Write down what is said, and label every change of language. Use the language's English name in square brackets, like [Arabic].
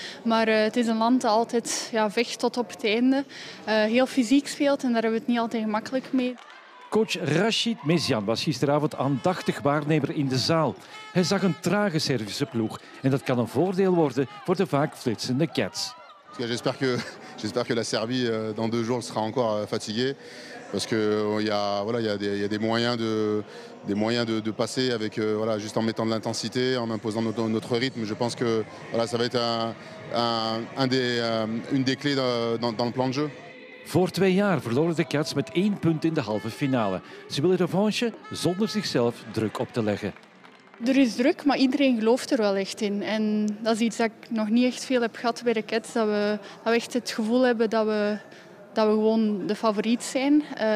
[Dutch] Maar het is een land dat altijd vecht tot op het einde. Heel fysiek speelt en daar hebben we het niet altijd gemakkelijk mee. Coach Rashid Mezian was gisteravond aandachtig waarnemer in de zaal. Hij zag een trage Servische ploeg en dat kan een voordeel worden voor de vaak flitsende Cats. [French] J'espère que la Servië dans deux jours sera encore fatiguée parce que il y a des moyens de passer avec juste en mettant de l'intensité, en imposant notre rythme. Je pense que ça va être une des clés dans le plan de jeu. [Dutch] Voor 2 jaar verloren de Cats met 1 punt in de halve finale. Ze willen revanche zonder zichzelf druk op te leggen. Er is druk, maar iedereen gelooft er wel echt in. En dat is iets dat ik nog niet echt veel heb gehad bij de Cats. Dat we echt het gevoel hebben dat we gewoon de favoriet zijn.